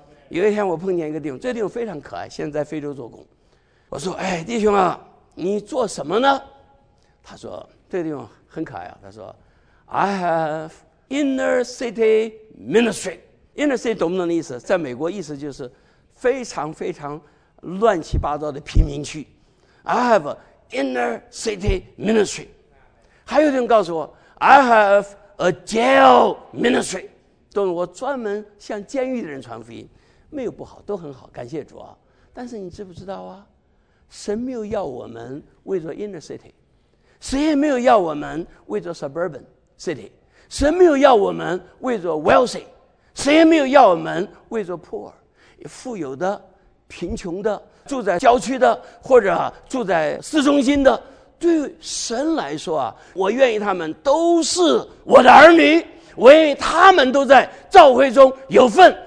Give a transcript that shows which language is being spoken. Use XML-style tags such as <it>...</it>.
<zh>有一天我碰见一个弟兄，这弟兄非常可爱，现在在非洲做工。我说，哎，弟兄啊，你做什么呢？他说，这弟兄很可爱啊，他说</zh> <en>I have inner city ministry.</en> <zh>Inner city 懂不懂的意思？在美国意思就是非常非常乱七八糟的贫民区。</zh> <en>I have inner city ministry.</en> <zh>还有人告诉我</zh> <en>I have a jail ministry.</en> <zh>懂，我专门向监狱的人传福音，没有不好，都很好，感谢主啊。但是你知不知道啊，神没有要我们为着 inner city， 谁也没有要我们为着 suburban city， 神没有要我们为着 wealthy， 谁也没有要我们为着 poor， 富有的、贫穷的、住在郊区的或者住在市中心的，对神来说啊，我愿意他们都是我的儿女，我愿意他们都在教会中有份。</zh>